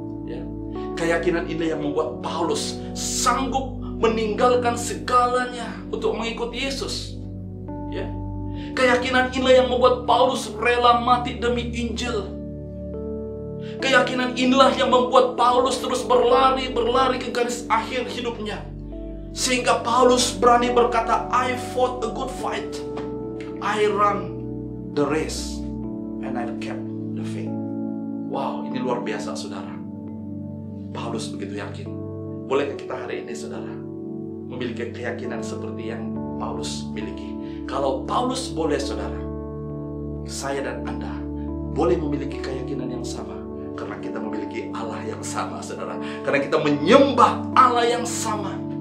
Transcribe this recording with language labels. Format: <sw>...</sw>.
<id>Ya. Keyakinan ini yang membuat Paulus sanggup meninggalkan segalanya untuk mengikuti Yesus. Ya. Keyakinan ini yang membuat Paulus rela mati demi Injil. Keyakinan inilah yang membuat Paulus terus berlari ke garis akhir hidupnya. Sehingga Paulus berani berkata,</id> <en>I fought a good fight, I run the race, and I kept the faith.</en> <id>Wow, ini luar biasa, saudara. Paulus begitu yakin. Bolehkah kita hari ini, saudara, memiliki keyakinan seperti yang Paulus miliki? Kalau Paulus boleh, saudara, saya dan Anda boleh memiliki keyakinan yang sama. Karena kita memiliki Allah yang sama, saudara. Karena kita menyembah Allah yang sama.</id>